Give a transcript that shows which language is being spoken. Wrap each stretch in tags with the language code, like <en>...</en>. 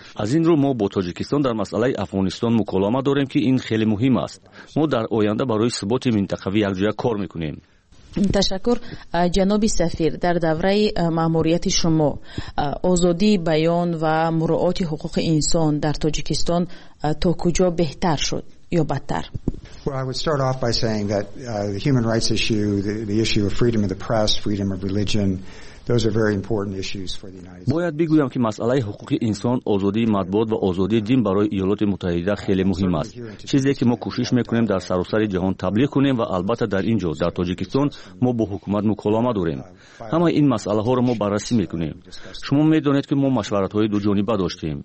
<fa>از این رو ما با تاجیکستان در مسئله افغانستان مکالمه داریم که این خیلی مهم است. ما در آینده برای ثبات منطقوی یکجا کار میکنیم. تشکر. جناب سفیر، در دوره ماموریت شما آزادی بیان و مراعات حقوق انسان در تاجیکستان تا کجا بهتر شد یا بدتر؟</fa> <en>Well, I would start off by saying that the human rights issue, the issue of freedom of the press, freedom of religion, those are very important issues for the United States.</en> <fa>باید بگویم که مسئله حقوق انسان، آزادی مطبوعات و آزادی دین برای ایالات متحده خیلی مهم است. چیزی که ما کوشش میکنیم در سراسر جهان تبلیغ کنیم و البته در اینجا در تاجیکستان ما با حکومت مکالمه داریم. همه این مسئله ها را ما بررسی میکنیم. شما میدونید که ما مشورت های دو جانبه داشتیم.</fa>